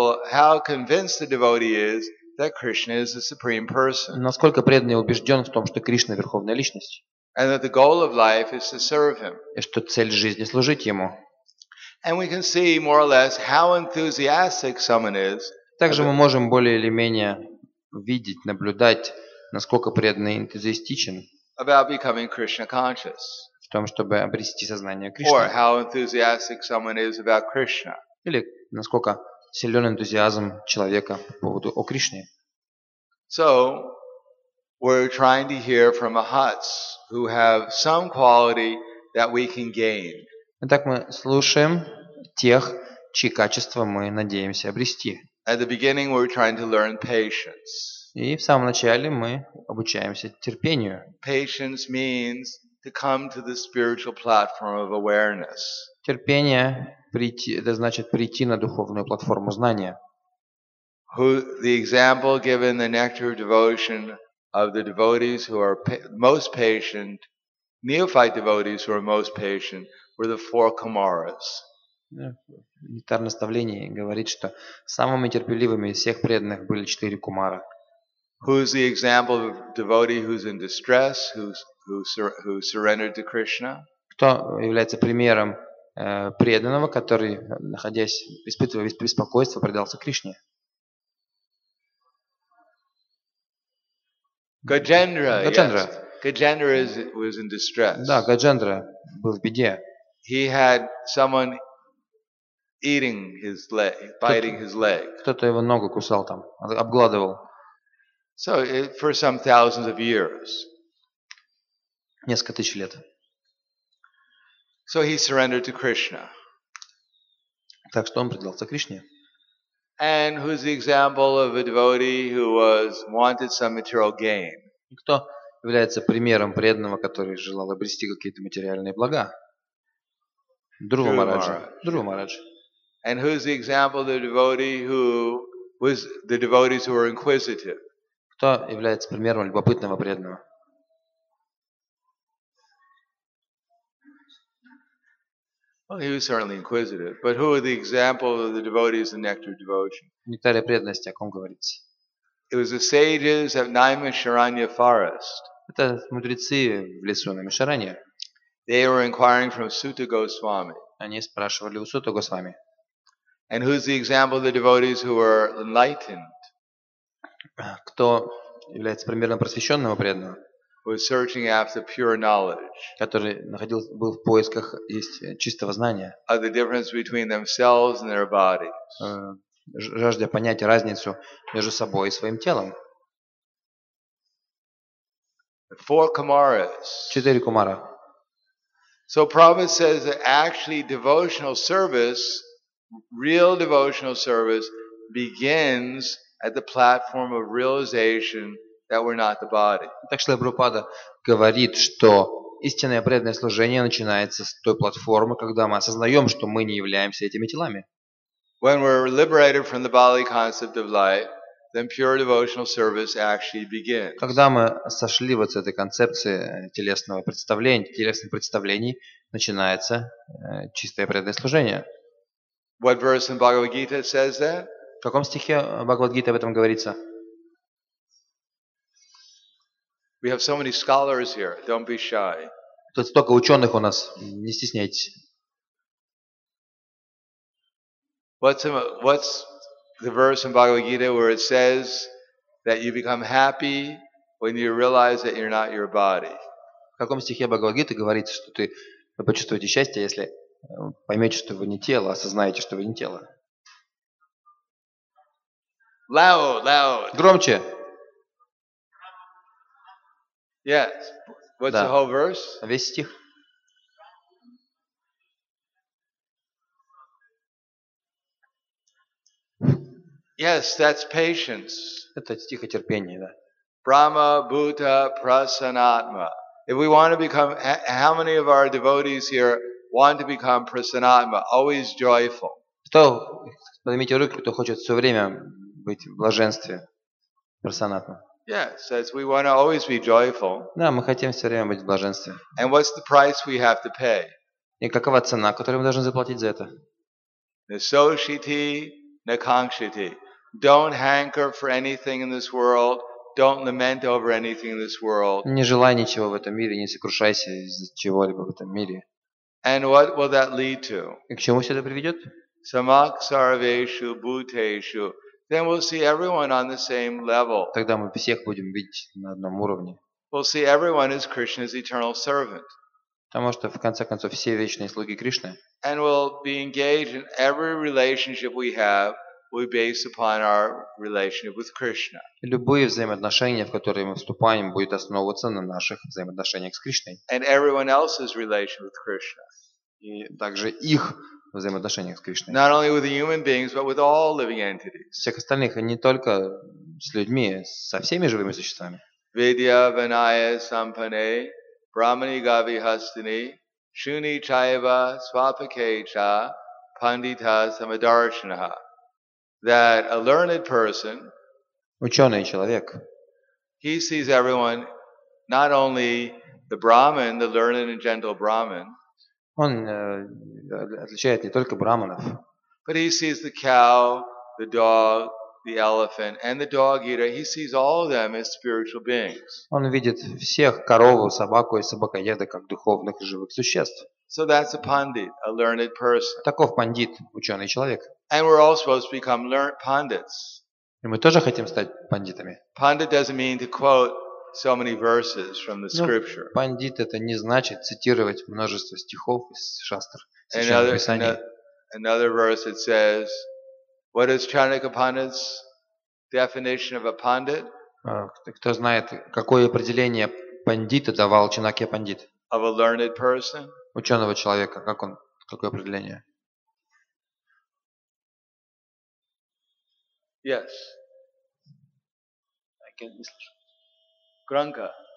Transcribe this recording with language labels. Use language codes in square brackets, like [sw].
[en] How convinced the devotee is that Krishna is the supreme person. [ru] Насколько преданный убежден в том, что Кришна верховная личность. [en] And that the goal of life is to serve him. [ru] И что цель жизни служить ему. [en] And we can see more or less how enthusiastic someone is. [ru] Также мы можем более или менее видеть, наблюдать, насколько преданный энтузиастичен. [en] About becoming Krishna conscious. [ru] В том, чтобы обрести сознание Кришны. [en] Or how enthusiastic someone is about Krishna. [ru] Или насколько силен энтузиазм человека по поводу о Кришне. [en] So, we're trying to hear from mahats who have some quality that we can gain. [ru] Итак, мы слушаем тех, чьи качества мы надеемся обрести. [en] At the beginning, we're trying to learn patience. [ru] И в самом начале мы обучаемся терпению. [en] Patience means to come to the spiritual platform of awareness. [ru] Терпение прийти, это значит прийти на духовную платформу знания. [en] Who the example given the nectar of devotion of the devotees who are most patient, neophyte devotees who are most patient, were the four Kumaras. [ru] Нектар наставления говорит, что самыми терпеливыми из всех преданных были четыре кумара. [en] Who's the example of a devotee who's in distress, who surrendered to Krishna? [ru] Кто является примером преданного, который, находясь, испытывая беспокойство, предался Кришне? [en] Gajendra. Yes. Gajendra was in distress. [ru] Да, Gajendra был в беде. [en] He had someone eating his leg, biting his leg. [ru] Кто-то его ногу кусал там, обгладывал. [en] So for some thousands of years. [ru] Несколько тысяч лет. [en] So he surrendered to Krishna. [ru] Так что он предался Кришне. [en] And who's the example of a devotee who was wanted some material gain? [ru] Кто является примером преданного, который желал обрести какие-то материальные блага? Друва Мараджа. Друва Мараджа. [en] And who's the example of the devotee who was the devotees who were inquisitive? [ru] Кто является примером любопытного преданного? [en] Well, he was certainly inquisitive. But who are the example of the devotees in Nectar Devotion? [ru] Нектария преданности, о ком говорится? [en] It was the sages of Naimisharanya Forest. [ru] Это мудрецы в лесу Наймишаранья. [en] They were inquiring from Suta Goswami. [ru] Они спрашивали у Сута Госвами. [en] And who's the example of the devotees who were enlightened? [ru] Кто является примером просвещенного преданного? [en] Was searching after pure knowledge. [ru] Который находился был в поисках есть чистого знания. [en] Of the difference between themselves and their bodies. [ru] Жаждя понять разницу между собой и своим телом. [en] Four kumaras. [ru] Четыре кумара. [en] So Prabhupada says that actually devotional service, real devotional service, begins at the platform of realization that we're not the body. [ru] Так что Прабхупада говорит, что истинное преданное служение начинается с той платформы, когда мы осознаем, что мы не являемся этими телами. [en] When we're liberated from the bodily concept of life, then pure devotional service actually begins. [ru] Когда мы сошли вот с этой концепции телесного представления, телесных представлений, начинается чистое преданное служение. [en] What verse in Bhagavad Gita says that? [ru] В каком стихе Бхагавад Гита об этом говорится? [en] We have so many scholars here. Don't be shy. [ru] Тут столько ученых у нас. Не стесняйтесь. [en] What's the verse in Bhagavad Gita where it says that you become happy when you realize that you're not your body? [ru] В каком стихе Бхагавад Гита говорится, что вы почувствуете счастье, если поймете, что вы не тело, осознаете, что вы не тело? [en] Loud. [ru] Громче. [en] Yes. What's [ru] да. [en] The whole verse? [ru] Весь стих. [en] Yes, that's patience. [ru] Это стих о терпении, да. [sa] Brahma, Bhuta, Prasanatma. [en] If we want to become, how many of our devotees here want to become Prasanatma, always joyful? [ru] Кто, поднимите руки, кто хочет все время быть в блаженстве, Прасанатма? [en] Yes, as we want to always be joyful. [ru] Да, мы хотим все время быть в блаженстве. [en] And what's the price we have to pay? [ru] И какова цена, которую мы должны заплатить за это? [sa] Nisoshiti, nakankshiti. [en] Don't hanker for anything in this world. Don't lament over anything in this world. [ru] Не желай ничего в этом мире, не сокрушайся из-за чего-либо в этом мире. [en] And what will that lead to? [ru] И к чему все это приведет? [sa] Samak sarveshu bhuteshu. [en] Then we'll see everyone on the same level. [ru] Тогда мы всех будем видеть на одном уровне. [en] We'll see everyone as Krishna's eternal servant. [ru] Потому что в конце концов все вечные слуги Кришны. [en] And we'll be engaged in every relationship we have will be based upon our relationship with Krishna. [ru] Любые взаимоотношения, в которые мы вступаем, будет основываться на наших взаимоотношениях с Кришной. [en] And everyone else's relationship with Krishna. [ru] И также их взаимоотношениях с Кришной. [en] Not only with the human beings, but with all living entities. [ru] Всех остальных, а не только с людьми, со всеми живыми существами. [sa] Vidya Vinaya Sampane Brahmani Gavi Hastini Shuni Chaiva Swapakecha Pandita Samadarshanaha. [en] That a learned person, [ru] ученый человек, [en] he sees everyone, not only the Brahman, the learned and gentle Brahman, [ru] он отличает не только брахманов. [en] But he sees the cow, the dog, the elephant and the dog eater, he sees all of them as spiritual beings. [ru] Он видит всех корову, собаку и собакоеда как духовных живых существ. [en] So that's a pandit, a learned person. [ru] Таков пандит, ученый человек. [en] And we're all supposed to become learned pandits. [ru] И мы тоже хотим стать пандитами. [en] Pandit doesn't mean to quote so many verses from the scripture. [ru] Пандит это не значит цитировать множество стихов из шастр. [en] Another verse it says, what is Chanakapandit's definition of a pandit? [ru] Кто знает, какое определение пандита давал Чанакья пандит? [en] Of a learned person? [ru] Ученого человека, как он, какое определение? [en] Yes. I can't miss. Granka.